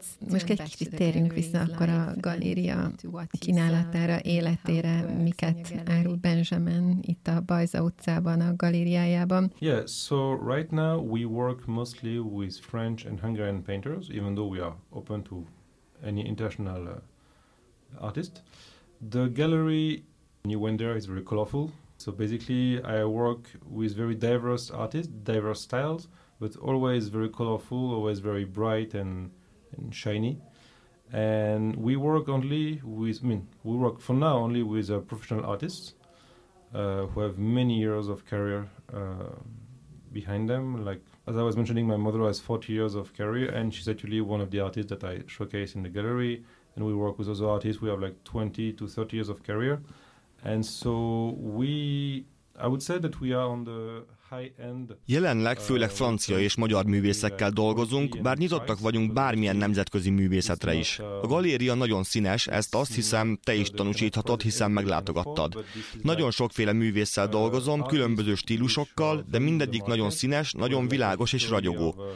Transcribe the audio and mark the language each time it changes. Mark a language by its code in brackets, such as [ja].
[hu] Most egy kicsit térjünk vissza akkor a galéria kínálatára, életére, miket árul Benjamin itt a Bajza utcában, a galériájában. [en] Yeah, so right now we work mostly with French and Hungarian painters, even though we are open to any international artist. The gallery, when you went there, is very colorful. So basically I work with very diverse artists, diverse styles, but always very colorful, always very bright and shiny, and we work only with, I mean, we work for now only with professional artists who have many years of career behind them. Like, as I was mentioning, my mother has 40 years of career, and she's actually one of the artists that I showcase in the gallery, and we work with other artists who have like 20 to 30 years of career, and so I would say that we are on the [hu] Jelenleg főleg francia és magyar művészekkel dolgozunk, bár nyitottak vagyunk bármilyen nemzetközi művészetre is. A galéria nagyon színes, ezt azt hiszem, te is tanúsíthatod, hiszen meglátogattad. Nagyon sokféle művésszel dolgozom, különböző stílusokkal, de mindegyik nagyon színes, nagyon világos és ragyogó.